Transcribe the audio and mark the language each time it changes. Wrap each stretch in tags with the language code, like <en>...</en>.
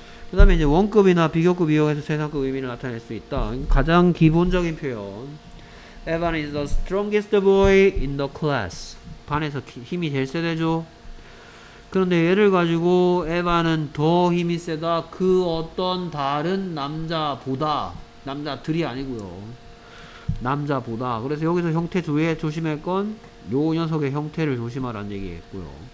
<ko>그 다음에 이제 원급이나 비교급 이용해서 최상급 의미를 나타낼 수 있다. 가장 기본적인 표현.</ko> <en>Evan is the strongest boy in the class.</en> <ko>반에서 힘이 제일 세대죠. 그런데 예를 가지고 Evan은 더 힘이 세다. 그 어떤 다른 남자보다. 남자들이 아니고요. 남자보다. 그래서 여기서 형태 조심할 건 요 녀석의 형태를 조심하라는 얘기했고요.</ko>